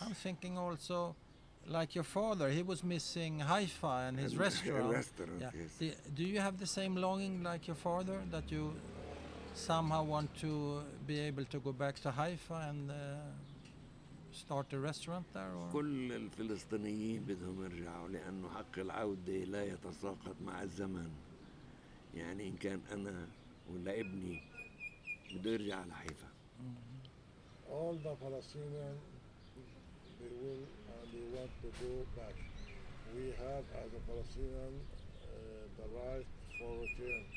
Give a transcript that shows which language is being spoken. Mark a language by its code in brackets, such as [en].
[en] I'm thinking also, like your father, he was missing Haifa and his restaurant. Restaurant, yeah. Yes. Do you have the same longing like your father, that you somehow want to be able to go back to Haifa and start a restaurant there? [ar] كل الفلسطينيين بدهم يرجعوا لأنه حق العودة لا يتساقط مع الزمن. يعني إن كان أنا ولا ابني بده يرجع على حيفا. [en] All the Palestinians, they want to go back. We have as a Palestinian the right for return.